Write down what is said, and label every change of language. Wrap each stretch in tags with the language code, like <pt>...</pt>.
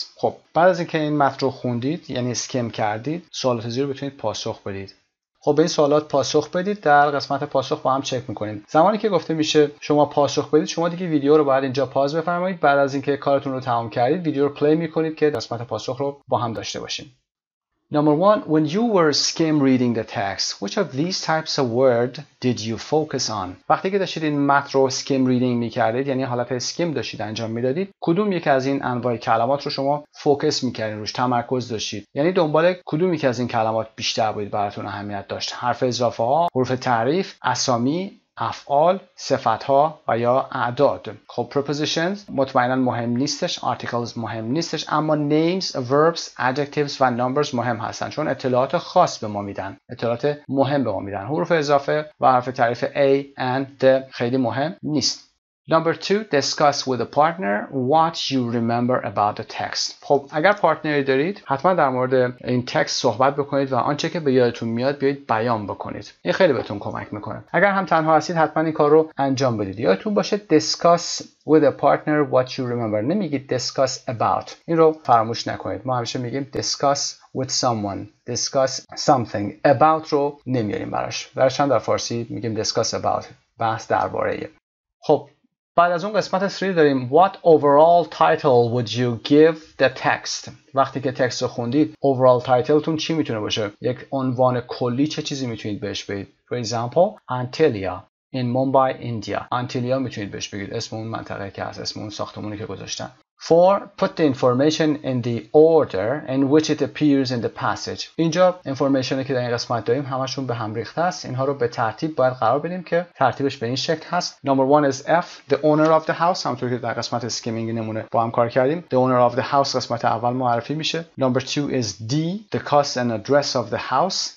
<fa>خب بعد از اینکه این متن رو خوندید، یعنی اسکیم کردید، سوالات زیر بتونید پاسخ بدید. خب به این سوالات پاسخ بدید، در قسمت پاسخ با هم چک میکنیم. زمانی که گفته میشه شما پاسخ بدید، شما دیگه ویدیو رو باید اینجا پاز بفرمایید. بعد از اینکه کارتون رو تمام کردید، ویدیو رو پلی میکنید که قسمت پاسخ رو با هم داشته باشیم.</fa> <en>Number 1. When you were skim reading the text, which of these types of word did you focus on?</en> <fa>وقتی که داشتید این متن رو skim reading می‌کردید، یعنی حالت skim داشتید انجام می‌دادید، کدوم یکی از این انواع کلمات رو شما فوکس می‌کردین، روش تمرکز داشتید؟ یعنی دنبال کدوم یکی از این کلمات بیشتر بود براتون اهمیت داشت؟ حرف اضافه‌ها، حروف تعریف، اسامی، افعال، صفت‌ها و یا اعداد؟ خب prepositions مطمئناً مهم نیستش، articles مهم نیستش، اما names، verbs، adjectives و numbers مهم هستن، چون اطلاعات خاص به ما میدن، اطلاعات مهم به ما میدن. حروف اضافه و حرف تعریف a and the خیلی مهم نیست.</fa> <en>Number 2. Discuss with a partner what you remember about the text.</en> <fa>خب اگر پارتنری دارید حتما در مورد این تکست صحبت بکنید و آنچه که به یادتون میاد بیایید بیان بکنید. این خیلی بهتون کمک میکنه. اگر هم تنها هستید حتما این کار رو انجام بدید. یادتون باشه</fa> <en>discuss with a partner what you remember.</en> <fa>نمیگید discuss about. این رو فراموش نکنید. ما همیشه میگیم</fa> <en>discuss with someone. Discuss something.</en> <fa>About رو نمیاریم براش. برشان در فارسی میگیم discuss about. بحث درباره. خب بعد از اون قسمت 3 داریم.</fa> <en>What overall title would you give the text?</en> <fa>وقتی که تکست رو خوندید overall titleتون چی میتونه باشه؟ یک عنوان کلی چه چیزی میتونید بهش بگید؟</fa> <en>For example, Antilia in Mumbai, India.</en> <fa>Antilia میتونید بهش بگید، اسم اون منطقه که هست، اسم اون ساختمونی که گذاشتن.</fa> <en>4. Put the information in the order in which it appears in the passage.</en> <fa>اینجا انفورمیشنی که در این قسمت داریم همشون به هم ریخته است. اینها رو به ترتیب باید قرار بدیم که ترتیبش به این شکل هست.</fa> <en>Number 1 is F, the owner of the house.</en> <fa>همونطور که در قسمت skimming نمونه با هم کار کردیم.</fa> <en>The owner of the house</en> <fa>قسمت اول معرفی میشه.</fa> <en>Number 2 is D, the cost and address of the house.</en>